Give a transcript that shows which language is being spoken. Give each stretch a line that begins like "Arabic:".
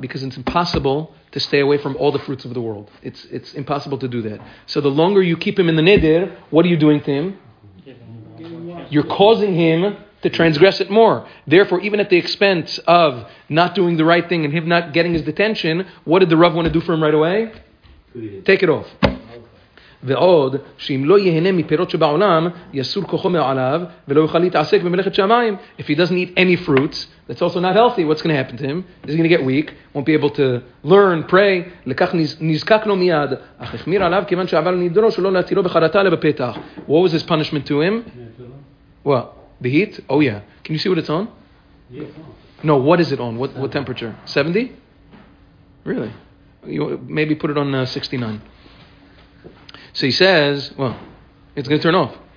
English: Because it's impossible to stay away from all the fruits of the world. It's impossible to do that. So the longer you keep him in the neder, what are you doing to him? You're causing him to transgress it more. Therefore, even at the expense of not doing the right thing and him not getting his detention, what did the Rav want to do for him right away? Take it off.
Hebrew: ועוד, שאם לא יהנה מפירות שבעולם, יסור כוחו מעליו, ולא יוכל להתעסק במלאכת שמיים.
English: If he doesn't eat any fruits, that's also not healthy. What's going to happen to him? He's going to get weak, won't be able to learn, pray.
Hebrew: לכך נזקק לו מיד, אך החמיר עליו כיוון שעבר נדרו שלא להתירו בחרתה לבפתח.
English: What was his punishment to him? What? The heat? Oh yeah. Can you see what it's on? Yeah, it's on. No, what is it on? What temperature? 70? Really? You maybe put it on 69. So he says, well, it's going to turn off.